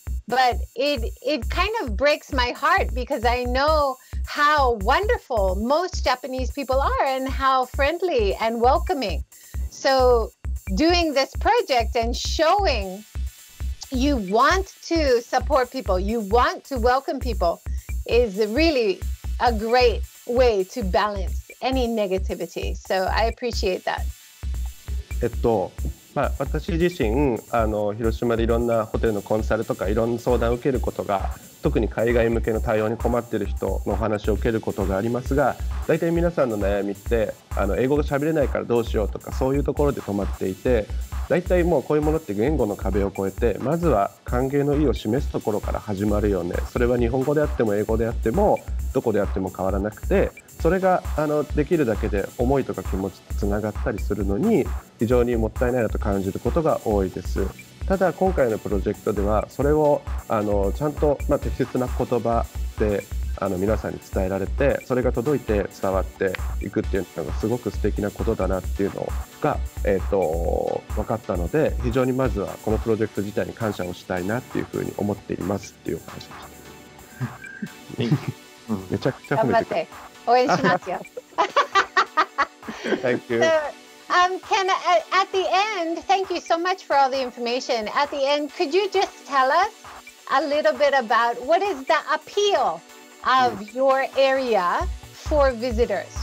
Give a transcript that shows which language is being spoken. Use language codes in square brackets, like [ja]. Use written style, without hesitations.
[en] But it kind of breaks my heart, because I know how wonderful most Japanese people are and how friendly and welcoming. So doing this project and showing you want to support people, you want to welcome people, is really a great way to balance any negativity. So I appreciate that. [ja] まあ、私自身あの広島でいろんなホテルのコンサルとかいろんな相談を受けることが、特に海外向けの対応に困っている人の話を受けることがありますが、大体皆さんの悩みってあの英語が喋れないからどうしようとか、そういうところで止まっていて、大体もうこういうものって言語の壁を越えて、まずは歓迎の意を示すところから始まるよね。それは日本語であっても英語であってもどこであっても変わらなくて、それがあのできるだけで思いとか気持ちとつながったりするのに非常にもったいないなと感じることが多いです。ただ今回のプロジェクトではそれをあのちゃんと、まあ、適切な言葉であの皆さんに伝えられて、それが届いて伝わっていくっていうのがすごく素敵なことだなっていうのが、分かったので、非常にまずはこのプロジェクト自体に感謝をしたいなっていうふうに思っていますっていう話でした。めちゃくちゃ褒めてくれ、応援しますよ。 [en] Thank you. So, can at the end, thank you so much for all the information. At the end, could you just tell us a little bit about what is the appeal of your area for visitors?